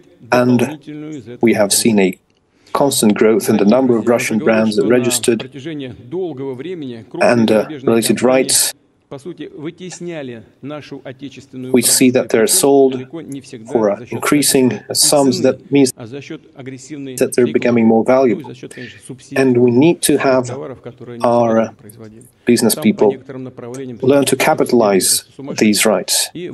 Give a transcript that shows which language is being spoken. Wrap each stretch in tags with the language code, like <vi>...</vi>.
<en>And we have seen a constant growth in the number of Russian brands that registered and related rights.</en> <ru>По сути, вытесняли нашу отечественную.</ru> <en>We see that they're sold for increasing sums. That means that they're becoming more valuable. And we need to have our business people learn to capitalize these rights.</en>